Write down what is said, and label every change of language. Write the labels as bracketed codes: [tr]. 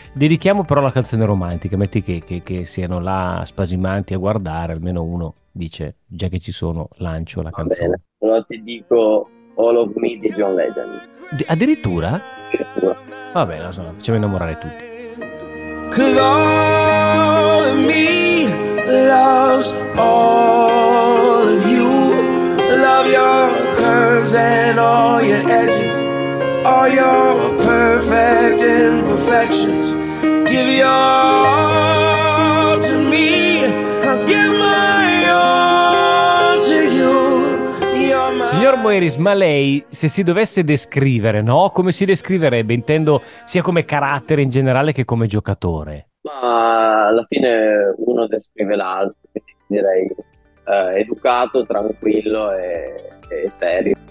[it] Dedichiamo però la canzone romantica, metti che siano là spasimanti a guardare, almeno uno dice, già che ci sono, lancio la canzone. Allora ti dico All of Me di John Legend. Addirittura? Addirittura. Vabbè, lo so, facciamo innamorare tutti. [en] 'Cause all of me loves all of you, love your curves and all your edges, all your perfect imperfections. Give your all to me, I'll give my all to you. [it] Signor Moeris, ma lei, se si dovesse descrivere, no? Come si descriverebbe? Intendo sia come carattere in generale che come giocatore. Ma alla fine uno descrive l'altro, direi educato, tranquillo e serio.